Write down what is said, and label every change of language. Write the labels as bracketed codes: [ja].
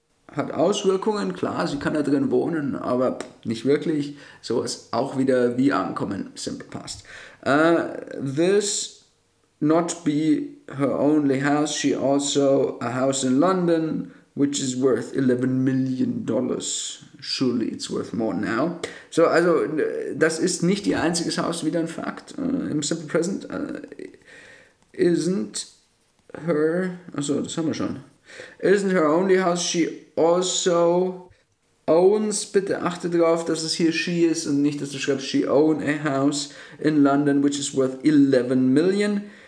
[de] Hat Auswirkungen, klar, sie kann da drin wohnen, aber nicht wirklich. So ist auch wieder wie ankommen, simple past. [en] This not be her only house, she also a house in London, which is worth $11 million. Surely it's worth more now. [de] So, also, das ist nicht ihr einziges Haus, wieder ein Fakt, im Simple Present. [en] Isn't her, [de] also das haben wir schon. [en] Isn't her only house, she also owns, [de] bitte achte darauf, dass es hier she ist und nicht, dass du schreibst, [en] she own a house in London, which is worth 11 million.